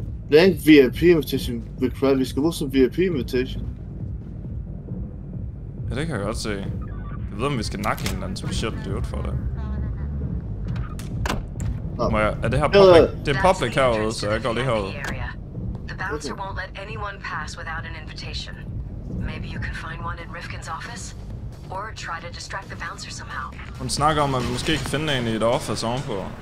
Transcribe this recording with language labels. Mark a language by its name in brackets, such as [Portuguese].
[Danish] Det er en VIP-invitation, vi skal bruge som VIP-invitation. Ja, det kan jeg godt se. Jeg ved, om vi skal nakke en eller anden special dude for det. Må jeg, er det her public? Det er public herude, så jeg går lige herude. [English] The bouncer won't let anyone pass without an invitation. Maybe you can find one in Rifkin's office or try to distract the bouncer somehow. [Danish] Hun snakker om, at vi måske kan finde en i et office ovenpå.